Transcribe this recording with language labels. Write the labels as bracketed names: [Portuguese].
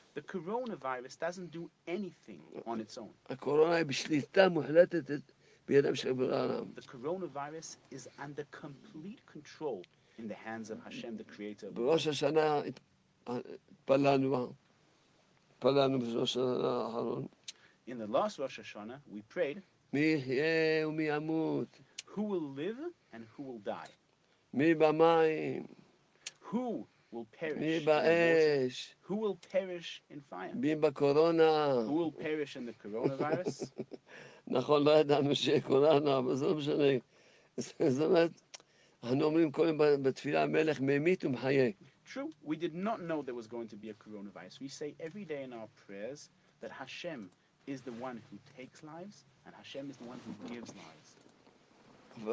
[English] The coronavirus doesn't do anything on its own. [Hebrew] הקורונה היא בשליטה מוחלטת בידיים של בורא העולם. [English] The coronavirus is under complete control in the hands of Hashem, the Creator. [Hebrew] בראש השנה התפללנו בראש השנה האחרון. [English] In the last Rosh Hashanah, we prayed. [Hebrew] מי יחיה ומי ימות. [English] Who will live and who will die? [Hebrew] מי במים. [English] Who will perish in water? Who will perish in fire? [Hebrew] מי בקורונה. [English] Who will perish in the coronavirus? [Hebrew] נכון, לא ידענו שיהיה קורונה, אבל זה לא משנה. זאת אומרת, אנחנו אומרים קודם בתפילה, המלך ממית ומחיה. [English] True, we did not know there was going to be a coronavirus. We say every day in our prayers that Hashem is the one who takes lives and Hashem is the one who gives lives.